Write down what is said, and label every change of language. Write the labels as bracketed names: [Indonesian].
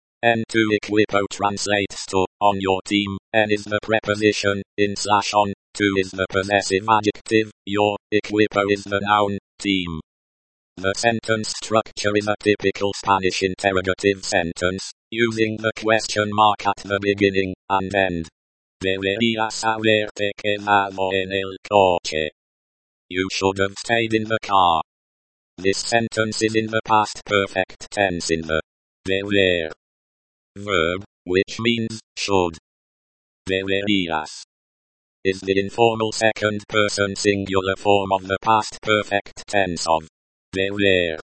[English] N to equipo translates to, on your team, N is the preposition, in slash on, to is the possessive adjective, your, equipo is the noun, team. The sentence structure is a typical Spanish interrogative sentence, using the question mark at the beginning and end. [Spanish] Deberías haberte quedado en el coche. [English] You should have stayed in the car. This sentence is in the past perfect tense in the deber verb, which means should. Deberías is the informal second person singular form of the past perfect tense of deber.